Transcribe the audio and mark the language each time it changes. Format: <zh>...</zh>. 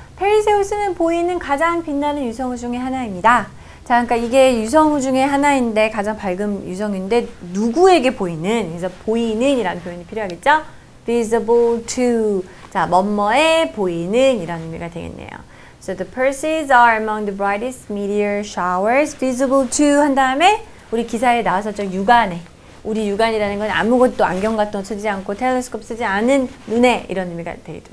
<ko>페르세우스는 보이는 가장 빛나는 유성우 중에 하나입니다. 자, 그러니까 이게 유성우 중에 하나인데 가장 밝은 유성인데 누구에게 보이는? 그래서 보이는이라는 표현이 필요하겠죠?</ko> <en>Visible to.</en> <ko>자, 뭐뭐에 보이는이라는 의미가 되겠네요.</ko> <en>So the Perseids are among the brightest meteor showers. Visible to</en> <ko>한 다음에 우리 기사에 나왔었죠. 육안에. 우리 육안이라는 건 아무것도 안경 같은 거 쓰지 않고 텔레스코프 쓰지 않은 눈에 이런 의미가 되겠죠.</ko>